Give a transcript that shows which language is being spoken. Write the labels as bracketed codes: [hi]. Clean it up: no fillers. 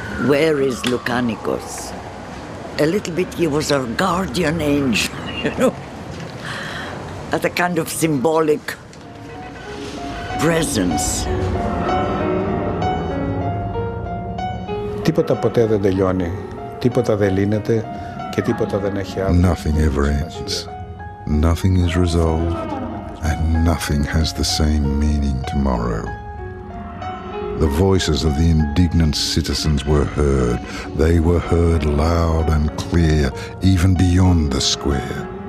[en] Where is Lukanikos? A little bit, he was our guardian angel, you know, at a kind of symbolic presence. [el] Τίποτα ποτέ δεν τελειώνει. Τίποτα δεν λύνεται και τίποτα δεν έχει άλλο. [en] Nothing ever ends. Nothing is resolved and nothing has the same meaning tomorrow. The voices of the indignant citizens were heard. They were heard loud and clear, even beyond the square.